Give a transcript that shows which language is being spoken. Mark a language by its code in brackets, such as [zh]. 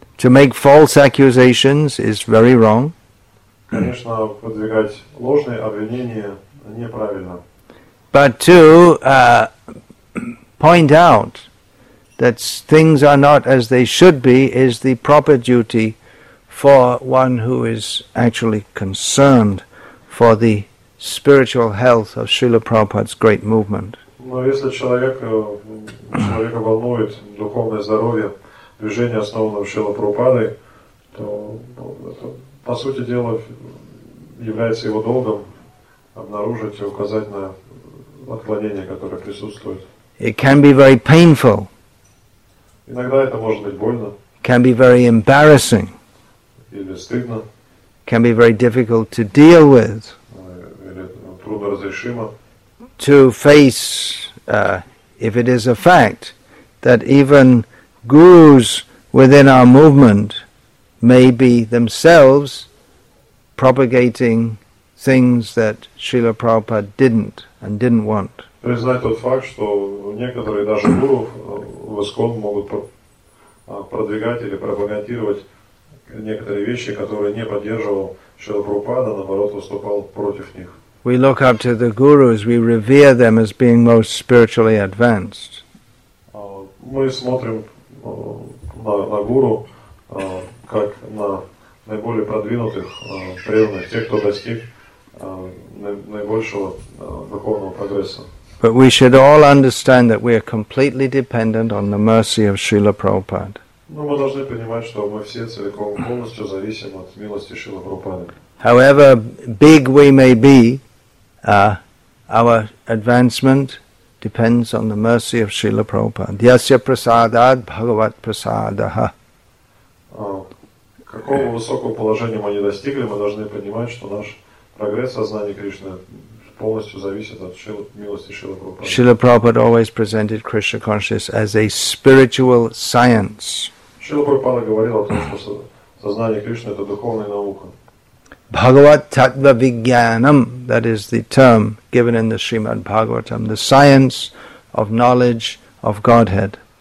[en] To make false accusations is very wrong. [ru] Конечно, подвигать ложные обвинения неправильно. [en] But to point out that things are not as they should be is the proper duty for one who is actually concerned for the spiritual health of Srila Prabhupada's great movement. [ru] Но если человека волнует духовное здоровье движения, основанного Шрила Прабхупадой, то это, по сути дела, является его долгом обнаружить и указать на отклонение, которое присутствует. [en] It can be very painful. [ru] Иногда это может быть больно. [en] Can be very embarrassing. [ru] Или стыдно. [en] Can be very difficult to deal with. [ru] Или трудноразрешимо. [en] To face, if it is a fact, that even gurus within our movement may be themselves propagating things that Srila Prabhupada didn't and didn't want. [ru] Признать тот факт, что некоторые даже гуру в ИСКОН могут продвигать или пропагандировать некоторые вещи, которые не поддерживал Шрила Прабхупада, наоборот, выступал против них. [en] We look up to the gurus, we revere them as being most spiritually advanced. [ru] Мы смотрим на гуру как на наиболее продвинутых преданных, тех, кто достиг наибольшего духовного прогресса. [en] But we should all understand that we are completely dependent on the mercy of Srila Prabhupada. [ru] Но мы должны понимать, что мы все целиком полностью зависим от милости Шрилы Прабхупады. [en] However big we may be, our advancement depends on the mercy of Srila Prabhupada. [sa] Yasya prasadad bhagavat prasadaha. [ru] Какого высокого положения мы не достигли, мы должны понимать, что наш прогресс сознания Кришны полностью зависит от милости Шрилы Прабхупады. [en] Srila Prabhupada always presented Krishna consciousness as a spiritual science. [ru] Srila Prabhupada говорил о том, что сознание Кришны – это духовная наука. [en] Bhagavat Tattva Vigyanam, that is the term given in the Srimad Bhagavatam, the science of knowledge of Godhead.